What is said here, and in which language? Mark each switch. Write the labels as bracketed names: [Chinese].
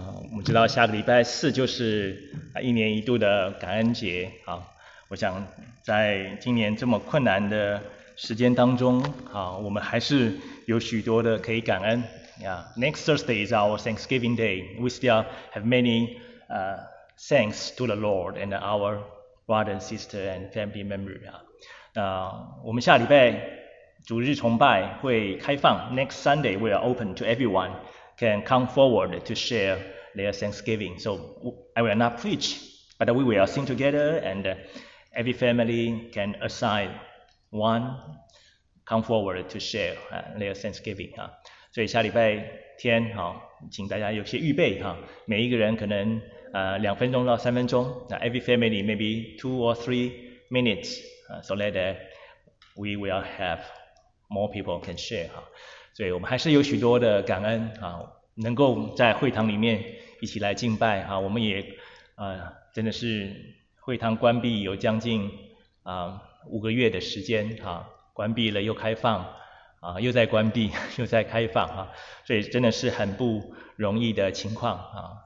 [Chinese] 我们知道下个礼拜四就是一年一度的感恩节啊。我想在今年这么困难的时间当中啊，我们还是有许多的可以感恩啊。 [English] Next Thursday is our Thanksgiving Day. We still have many thanks to the Lord and our brother and sister and family member 啊。 [Chinese] 我们下礼拜主日崇拜会开放 [English] ，Next Sunday we are open to everyone can come forward to share their Thanksgiving. So I will not preach, but we will sing together, and every family can assign one come forward to share their Thanksgiving. [Chinese] 所以下礼拜天哈，请大家有些预备哈，每一个人可能两分钟到三分钟。 [English] Every family maybe 2 or 3 minutes. So that we will have more people can share [Chinese] 哈，所以我们还是有许多的感恩啊，能够在会堂里面一起来敬拜啊，我们也真的是会堂关闭有将近5个月的时间啊，关闭了又开放啊，又在关闭又在开放啊，所以真的是很不容易的情况啊。